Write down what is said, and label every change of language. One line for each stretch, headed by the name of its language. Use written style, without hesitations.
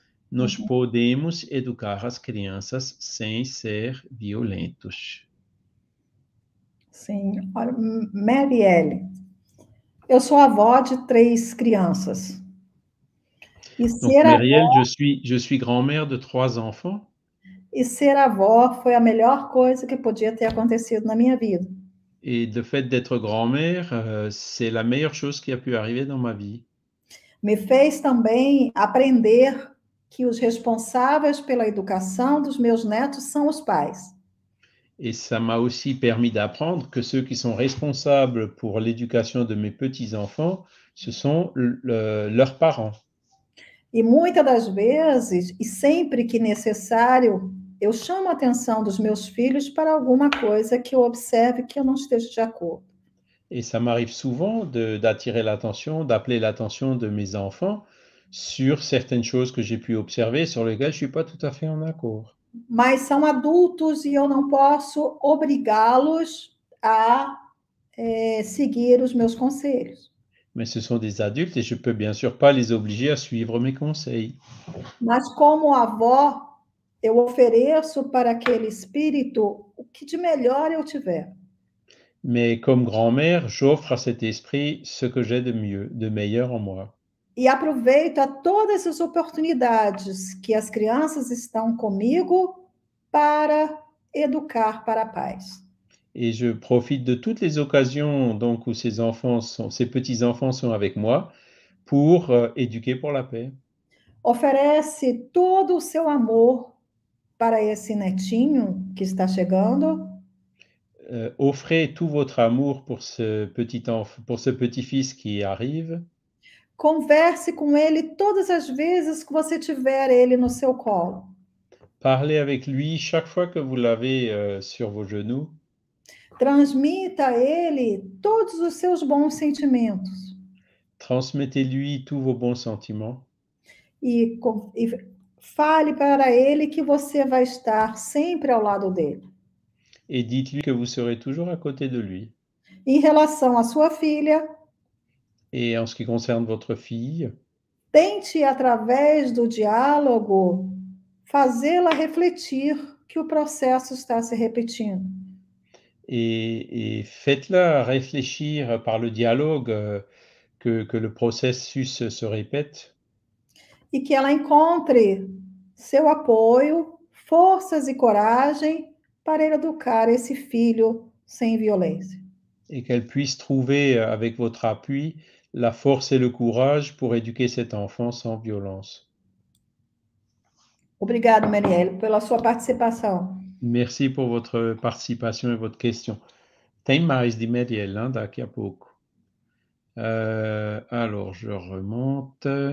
Portuguese: Nós podemos educar as crianças sem ser violentos. Sim, Marielle, eu sou avó de 3 crianças. E
French: Donc, Muriel, je suis grand-mère de 3 enfants.
Portuguese: ser avó foi a melhor coisa que podia ter acontecido na minha vida.
French: Et le fait d'être grand-mère, c'est la meilleure chose qui a pu arriver dans ma vie.
Portuguese: Me fez também aprender que os responsáveis pela educação dos meus netos são os pais.
French: Et ça m'a aussi permis d'apprendre que ceux qui sont responsables pour l'éducation de mes petits-enfants, ce sont leurs parents.
Portuguese: E muitas das vezes, e sempre que necessário, eu chamo a atenção dos meus filhos para alguma coisa que eu observe que eu não esteja de acordo.
French: Et ça m'arrive souvent d'attirer l'attention, d'appeler l'attention de mes enfants sur certaines choses que j'ai pu observer, sur lesquelles je ne suis pas tout à fait en accord.
Portuguese: Mas são adultos e eu não posso obrigá-los a seguir os meus conselhos.
French: Mais ce sont des adultes et je ne peux bien sûr pas les obliger à suivre mes conseils.
Portuguese: Mas como avó, eu ofereço para aquele espírito o que de melhor eu tiver.
French: Mais comme grand-mère, j'offre à cet esprit ce que j'ai de mieux, de meilleur en moi.
Portuguese: E aproveito a todas as oportunidades que as crianças estão comigo para educar para a paz.
French: Et je profite de toutes les occasions donc où ces enfants sont, ces petits-enfants sont avec moi pour éduquer pour la paix.
Portuguese: Oferece todo o seu amor para esse netinho que está chegando.
French: Offrez tout votre amour pour ce petit-fils qui arrive.
Portuguese: Converse com ele todas as vezes que você tiver ele no seu colo.
French: Parlez avec lui chaque fois que vous l'avez sur vos genoux.
Portuguese: Transmita a ele todos os seus bons sentimentos.
French: Transmettez-lui tous vos bons sentiments.
Portuguese: E fale para ele que você vai estar sempre ao lado dele.
French: Et dites-lui que vous serez toujours à côté de lui.
Portuguese: Em relação à sua filha,
French: Et en ce qui concerne votre fille,
Portuguese: tente, através do diálogo, fazê-la refletir que o processo está se repetindo.
French: et faites-la réfléchir par le dialogue que le processus se répète.
Portuguese: E que ela encontre seu apoio, forças e coragem para educar esse filho sem violência.
French: Et qu'elle puisse trouver avec votre appui la force et le courage pour éduquer cet enfant sans violence.
Portuguese: Obrigado, Marielle, pela sua participação.
French: Merci pour votre participation et votre question.
Portuguese: Tem mais de Marielle, hein, daqui a pouco.
French: Alors, je remonte.